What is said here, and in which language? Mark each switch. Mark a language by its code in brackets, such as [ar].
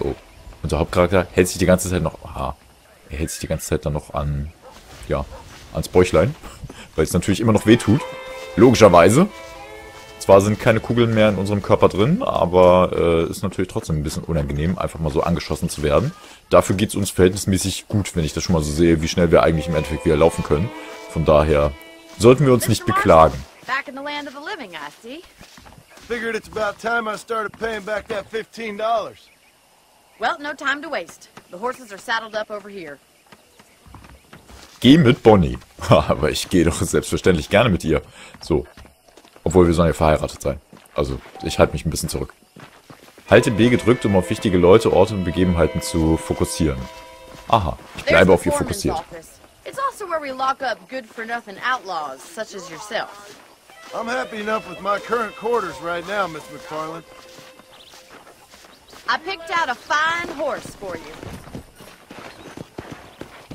[de] Oh, unser Hauptcharakter hält sich die ganze Zeit noch, er hält sich die ganze Zeit dann noch an, ja, ans Bäuchlein, weil es natürlich immer noch weh tut, logischerweise. Zwar sind keine Kugeln mehr in unserem Körper drin, aber ist natürlich trotzdem ein bisschen unangenehm, einfach mal so angeschossen zu werden. Dafür geht es uns verhältnismäßig gut, wenn ich das schon mal so sehe, wie schnell wir eigentlich im Endeffekt wieder laufen können. Von daher sollten wir uns nicht beklagen. [en] Back in the land of the living, I see. Figured it's about time I started paying back that $15. Well, no time to waste. The horses are saddled up over here. Geh mit Bonnie. [de] Aber ich gehe doch selbstverständlich gerne mit ihr. So. Obwohl, wir sollen ja verheiratet sein. Also, ich halte mich ein bisschen zurück. Halte B gedrückt, um auf wichtige Leute, Orte und Begebenheiten zu fokussieren. Aha, ich bleibe auf ihr fokussiert. [en] It's also where we lock up good for nothing outlaws, such as yourself. I'm happy enough with my current quarters right now, Miss McFarland. I picked out a fine horse for you.